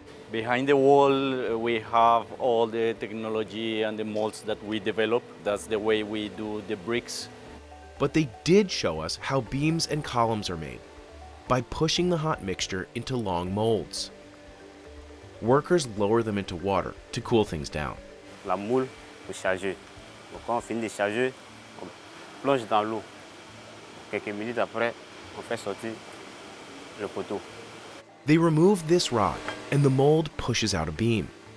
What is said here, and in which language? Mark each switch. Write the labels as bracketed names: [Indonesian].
[English] Behind the wall, we have all the technology and the molds that we develop. That's the way we do the bricks. But they did show us how beams and columns are made by pushing the hot mixture into long molds. Workers lower them into water to cool things down. [French] La moule pour charger. Donc quand on finit de charger, on plonge dans l'eau. Quelques minutes après, on fait sortir le poteau. [English] They remove this rod, and the mold pushes out a beam.